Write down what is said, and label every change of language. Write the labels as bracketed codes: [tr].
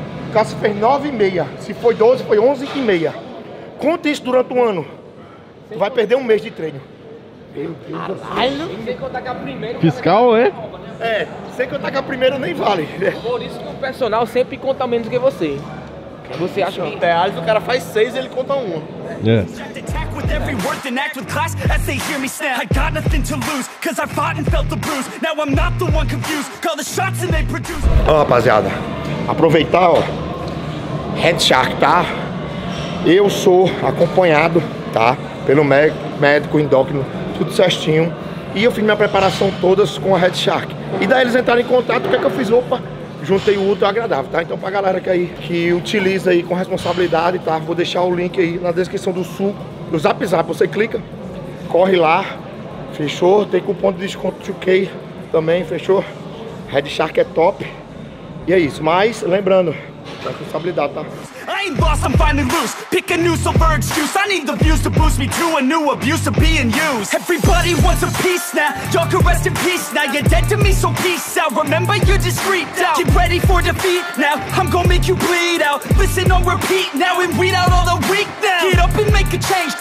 [pt] O Cássio fez 9,5. Se foi 12, foi 11,5. Conta isso durante um ano. Tu vai perder um mês de treino. Meu Deus do céu. Sem contar que a primeira... Fiscal, é? É, sem contar que a primeira nem vale. Por isso que o personal sempre conta menos que você. Você acha que... O cara faz 6 e ele conta 1. É. [en] With every word and act with class as they hear me snap. I got nothing to lose, cause I fought and felt the bruise. Now I'm not the one confused. Call the shots and they produce. [pt] Ó, rapaziada, aproveitar, ó. Head Shark, tá? Eu sou acompanhado, tá? Pelo médico, endócrino, tudo certinho. E eu fiz minha preparação todas com a Head Shark. E daí eles entraram em contato, o que é que eu fiz? Opa, juntei o útil ao agradável, tá? Então pra galera que aí, que utiliza aí com responsabilidade, tá? Vou deixar o link aí na descrição do suco. No Zap Zap, você clica, corre lá, fechou? Tem cupom de desconto 2K também, fechou? Red Shark é top. E é isso, mas lembrando, responsabilidade, tá? [en] I ain't lost, I'm finally loose. Pick a new silver excuse. I need the views to boost me to a new abuse of being used. Everybody wants a peace now. Y'all can rest in peace now. You're dead to me, so peace out. Remember, you're discreet now. Keep ready for defeat now. I'm gonna make you bleed out. Listen on repeat now and weed out all the weak now. Get up and make a change.